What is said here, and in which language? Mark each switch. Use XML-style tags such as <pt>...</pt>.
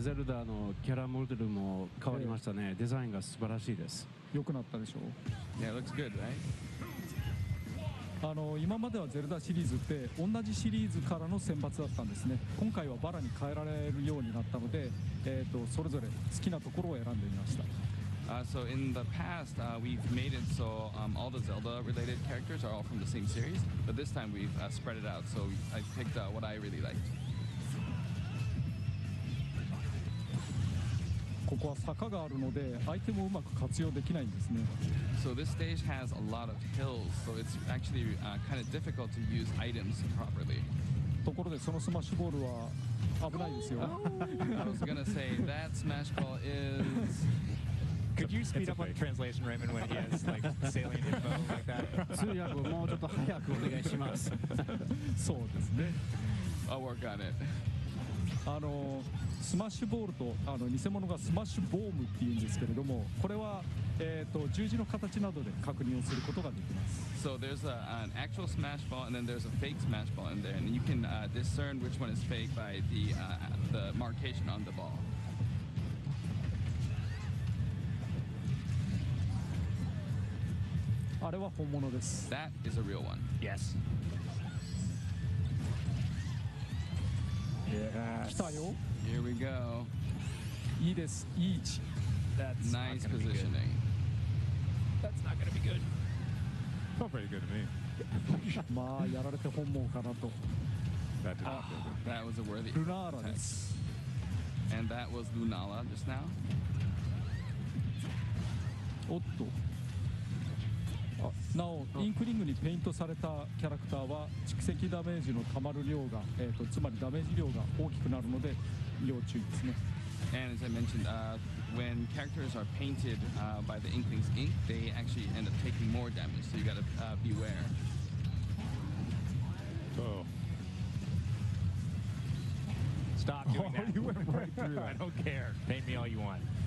<ja>ゼルダのキャラモデルも変わりましたね。デザインが素晴らしいです。良くなったでしょう。</ja> <en>Yeah, it looks good, right?</en> <ja>今まではゼルダシリーズって同じシリーズからの選抜だったんですね。今回はバラに変えられるようになったので、それぞれ好きなところを選んでみました。</ja> <en>So in the past, we've made it so all the Zelda-related characters are all from the same series. But this time, we've spread it out. So I picked what I really liked.</en> <ja>ここは坂があるので、アイテムをうまく活用できないんですね。</ja> <en>So this stage has a lot of hills, so it's actually kind of difficult to use items properly.</en> <ja>ところで、そのスマッシュボールは危ないですよ。</ja> <en>I was gonna say that smash ball is. Could you speed up on the translation, Raymond, when he has like salient info like that?</en> <ja>通訳をもうちょっと早くお願いします。そうですね。</ja> <en>I'll work on it.</en> <ja>スマッシュボールと偽物がスマッシュボームっていうんですけれども、これは十字の形などで確認をすることができます。</ja> <en>So there's an actual smash ball and then there's a fake smash ball in there, and you can discern which one is fake by the markation on the ball.</en> <ja>あれは本物です。</ja> <en>That is a real one. Yes.</en> <ja>来たよ。</ja> <en>Here we go.</en> <ja>いいです。いい位置。</ja> <en>That's nice positioning. That's not gonna be good. Not pretty good to me.</en> <ja>まあやられて本物かなと。</ja> <en>That did not feel good. That was a worthy.</en> <ja>Lunala です。</ja> <en>And that was Lunala just now.</en> <ja>おっと。なお、インクリングにペイントされたキャラクターは蓄積ダメージのたまる量が、つまりダメージ量が大きくなるので要注意ですね。</ja> <en>And as I mentioned, when characters are painted by the Inkling's ink, they actually end up taking more damage, so you gotta beware. Stop doing that. You went right through that. I don't care. Paint me all you want.</en>